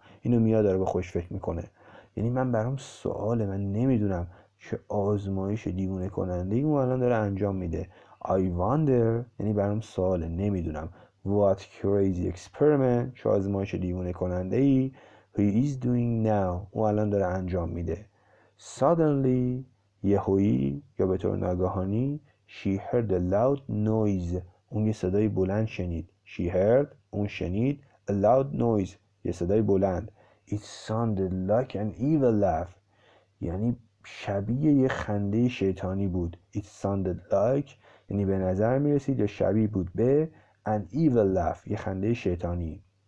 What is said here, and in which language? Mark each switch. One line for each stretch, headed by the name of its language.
Persian: اینو میاد داره به خوش فکر میکنه. یعنی من برام سواله من نمیدونم چه آزمایش دیوونه کننده ای اون الان داره انجام میده.
English: I wonder
Persian: یعنی برام سواله نمیدونم
English: what crazy experiment
Persian: چه آزمایش دیوونه کننده ای
English: he is doing now.
Persian: اون الان داره انجام میده.
English: Suddenly
Persian: یهویی یا به طور ناگهانی
English: she heard a loud noise.
Persian: اون یه صدای بلند شنید
English: She heard
Persian: اون شنید
English: A loud noise
Persian: یه صدای بلند
English: It sounded like an evil laugh
Persian: یعنی شبیه یه خنده شیطانی بود
English: It sounded like
Persian: یعنی به نظر می رسید یا شبیه بود به
English: An evil laugh
Persian: یه خنده شیطانی